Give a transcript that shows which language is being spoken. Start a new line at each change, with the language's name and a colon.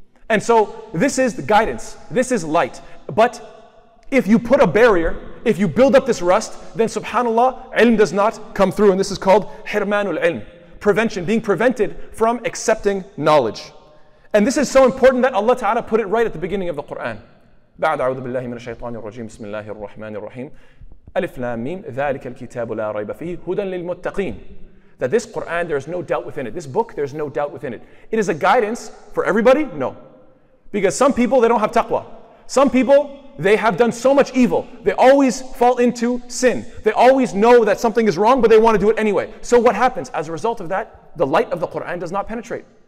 English: And so this is the guidance, this is light. But if you put a barrier, if you build up this rust, then subhanAllah, ilm does not come through. And this is called hirmanul ilm, prevention, being prevented from accepting knowledge. And this is so important that Allah Ta'ala put it right at the beginning of the Quran.
Arabic: بعد أعوذ بالله من الشيطان الرجيم بسم الله الرحمن الرحيم ألف لام ميم ذلك الكتاب لا ريب فيه هدى للمتقين.
English: That this Quran, there is no doubt within it. This book, there is no doubt within it. It is a guidance for everybody? No. Because some people, they don't have taqwa. Some people, they have done so much evil. They always fall into sin. They always know that something is wrong, but they want to do it anyway. So what happens? As a result of that, the light of the Quran does not penetrate.